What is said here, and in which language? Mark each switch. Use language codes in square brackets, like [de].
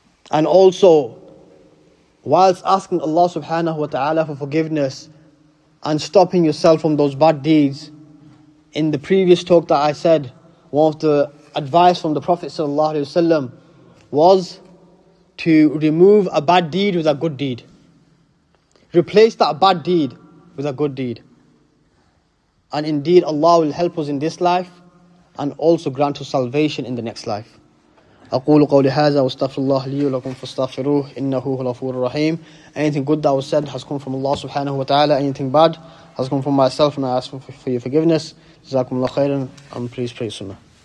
[en] And also, whilst asking Allah subhanahu wa ta'ala for forgiveness and stopping yourself from those bad deeds, in the previous talk that I said, one of the advice from the Prophet sallallahu alaihi wasallam was to remove a bad deed with a good deed. Replace that bad deed with a good deed. And indeed, Allah will help us in this life and also grant us salvation in the next life. [ar] أقول قولي هذا واستغفر الله لي ولكم فاستغفروه إنه هو الغفور الرحيم. [en] Anything good that was said has come from Allah subhanahu wa ta'ala. Anything bad has come from myself, and I ask for your forgiveness. [ar] جزاكم الله خيرا. [en] And please pray sunnah.